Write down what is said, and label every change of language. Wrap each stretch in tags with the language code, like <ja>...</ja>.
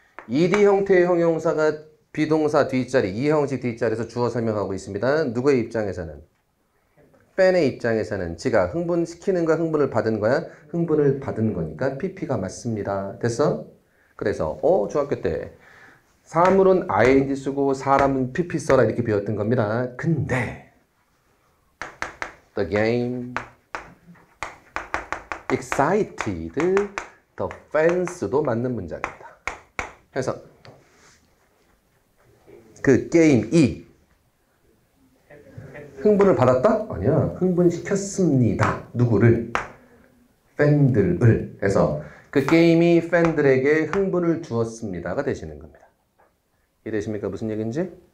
<ko>ed 형태의 형용사가 비동사 뒷자리, 이 형식 뒷자리에서 주어 설명하고 있습니다. 누구의 입장에서는? 팬의 입장에서는 지가 흥분시키는 거야, 흥분을 받은 거야? 흥분을 받은 거니까 PP가 맞습니다. 됐어? 그래서 중학교 때 사물은 ing 쓰고 사람은 pp 써라 이렇게 배웠던 겁니다.</ko> <en>근데 the game excited the fans도</en> <ko>맞는 문장입니다. 그래서 그 게임이 흥분을 받았다? 아니야. 흥분시켰습니다. 누구를? 팬들을. 해서 그 게임이 팬들에게 흥분을 주었습니다가 되시는 겁니다. 이해되십니까? 무슨 얘기인지?</ko>